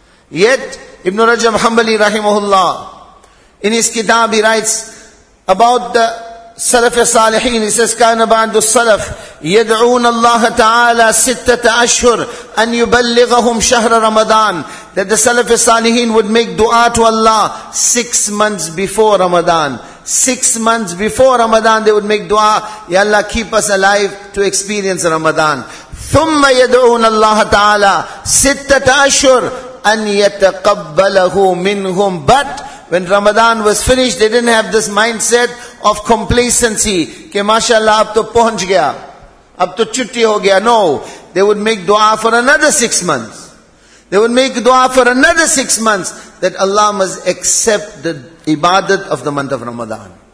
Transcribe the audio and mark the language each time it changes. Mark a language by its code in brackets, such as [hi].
[en] Yet, Ibn Rajab Hanbali rahimahullah, in his kitab he writes about the Salaf Salihin, he says, [ar] كان بعد السلف يدعون الله تعالى ستة أشهر أن يبلغهم شهر رمضان. [en] That the Salaf Salihin would make dua to Allah 6 months before Ramadan. 6 months before Ramadan they would make dua, Ya Allah, keep us alive to experience Ramadan. [ar] ثم يدعون الله تعالى ستة أشهر أن يتقبله منهم. [en] But when Ramadan was finished, they didn't have this mindset of complacency. [ur] Ke mashallah, ab to pahunch gaya. Ab to chutti ho gaya. [en] No. They would make dua for another 6 months. They would make dua for another 6 months that Allah must accept the ibadat of the month of Ramadan.